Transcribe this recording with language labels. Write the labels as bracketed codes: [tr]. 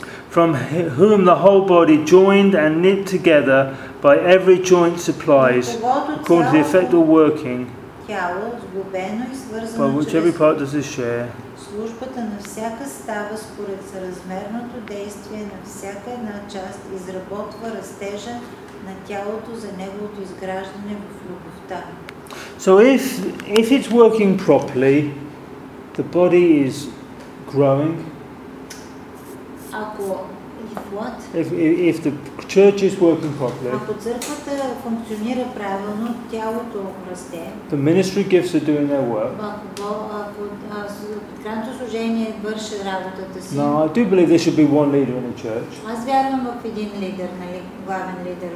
[en] From whom the whole body, joined and knit together by every joint, supplies according to the effect of working, by which every part does its share. [bg] Службата на всяка става според съразмерното действие на всяка една част, изработва растежа на тялото за неговото изграждане в любовта. [en] So if it's working properly, the body is growing. [bg] Ако [en] what? If the church is working properly, [bg] ако църквата функционира правилно, тялото расте. [en] The ministry gifts are doing their work. [bg] Ако служение върши работата си. [en] No, I do believe there should be one leader in the church. [bg] Аз вярвам в един лидер, нали, главен лидер.